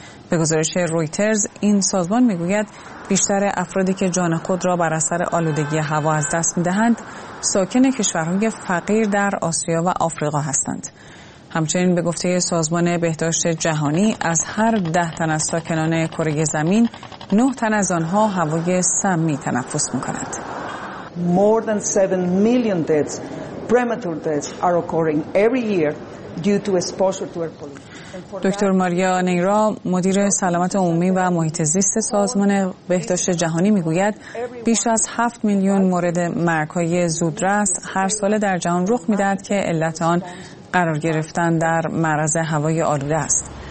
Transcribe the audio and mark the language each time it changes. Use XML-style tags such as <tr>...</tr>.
<fa>به گزارش رویترز این سازمان میگوید بیشتر افرادی که جان خود را بر اثر آلودگی هوا از دست می‌دهند ساکن کشورهای فقیر در آسیا و آفریقا هستند. همچنین به گفته سازمان بهداشت جهانی از هر 10 تن از ساکنان کره زمین 9 تن از آنها هوای سمی تنفس می‌کنند.</fa> <en>More than 7 million deaths, premature deaths are occurring every year due to exposure to air pollution.</en> <fa>دکتر ماریا نیرا مدیر سلامت عمومی و محیط زیست سازمان بهداشت جهانی میگوید بیش از 7 میلیون مورد مرگ‌های زودرس هر ساله در جهان رخ می‌دهد که علت آن قرار گرفتن در معرض هوای آلوده است.</fa>